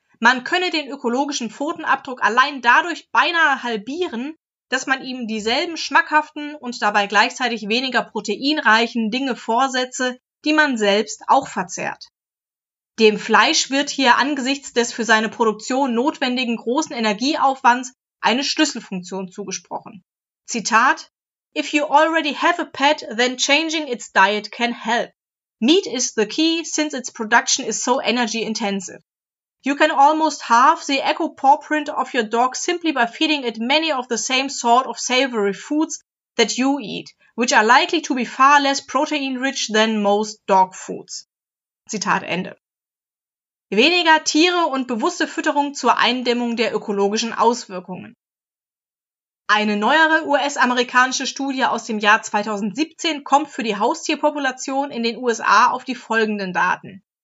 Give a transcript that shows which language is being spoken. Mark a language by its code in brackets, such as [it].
[de] Man könne den ökologischen Pfotenabdruck allein dadurch beinahe halbieren, dass man ihm dieselben schmackhaften und dabei gleichzeitig weniger proteinreichen Dinge vorsetze, die man selbst auch verzehrt. Dem Fleisch wird hier angesichts des für seine Produktion notwendigen großen Energieaufwands eine Schlüsselfunktion zugesprochen. [en] Zitat: If you already have a pet, then changing its diet can help. Meat is the key, since its production is so energy intensive. You can almost halve the eco paw print of your dog simply by feeding it many of the same sort of savory foods that you eat, which are likely to be far less protein rich than most dog foods. [de] Zitat Ende. Weniger Tiere und bewusste Fütterung zur Eindämmung der ökologischen Auswirkungen. Eine neuere US-amerikanische Studie aus dem Jahr 2017 kommt für die Haustierpopulation in den USA auf die folgenden Daten.